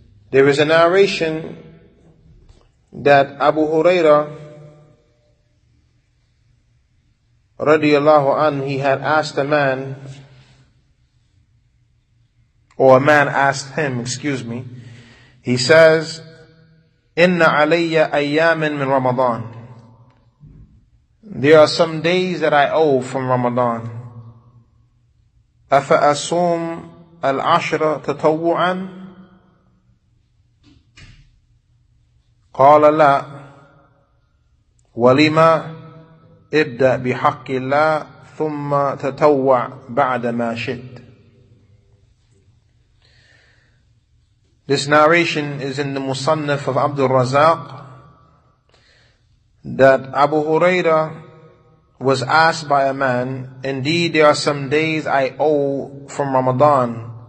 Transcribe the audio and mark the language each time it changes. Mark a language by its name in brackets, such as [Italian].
[English] There is a narration that Abu Huraira radiallahu anhu, he had asked a man asked him, he says, [Arabic] Inna alayya ayyamin min Ramadan. [English] There are some days that I owe from Ramadan. [Arabic] أفأصوم العشرة تطوعا؟ قال لا ولما ابدأ بحق الله ثم تطوع بعد ما شئت. [English] This narration is in the Musannaf of Abdul Razak, that Abu Huraira was asked by a man, indeed there are some days I owe from Ramadan.